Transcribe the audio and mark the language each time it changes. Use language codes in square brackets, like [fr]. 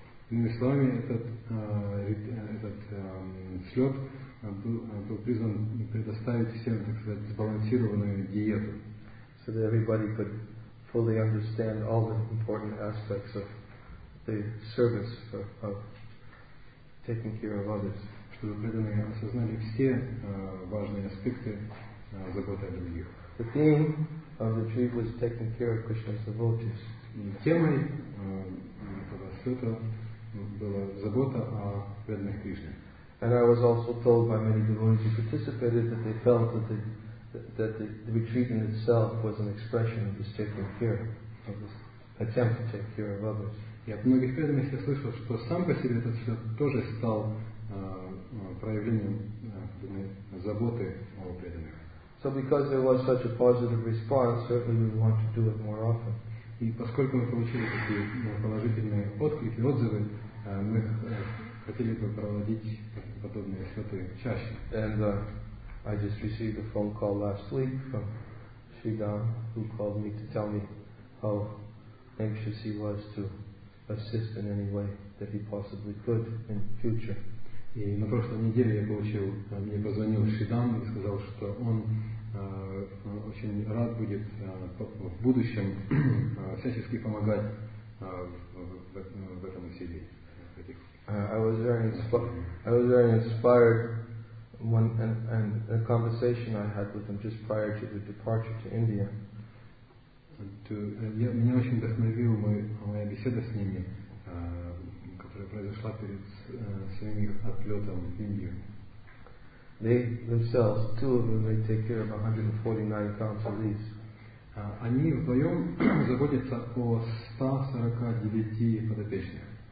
[ru] Иными словами, этот, этот слет был призван предоставить всем, так сказать, сбалансированную диету. [en] So that everybody could fully understand all the important aspects of the service for, of taking care of others. [ru] Чтобы преданные осознали все важные аспекты заботы о других. [en] The theme of the retreat was taking care of Krishna's devotees. [ru] Темой этого слета была забота о преданных Кришне. [en] And I was also told by many devotees who participated that they felt that the retreat in itself was an expression of this taking care of this attempt to take care of others. [ru] И от многих преданных я слышал, что сам по себе этот слет тоже стал проявлением заботы о преданных. [en] So because there was such a positive response, certainly we want to do it more often. [ru] И поскольку мы получили такие положительные отклики, отзывы, мы хотели бы проводить подобные святы чаще. [en] And I just received a phone call last week from Shidam, who called me to tell me how anxious he was to assist in any way that he possibly could in the future. [ru] И на прошлой неделе я получил, мне позвонил Шидам и сказал, что он очень рад будет в будущем всячески помогать в этом усилии. [en] I was very inspired when and a conversation I had with him just prior to the departure to India. [ru] Меня очень вдохновила моя беседа с ними, которая произошла перед своим отлетом в Индию. [en] They themselves, two of them, they take care of 149 counselees. [ru] Они вдвоем заботятся о 149 подопечных.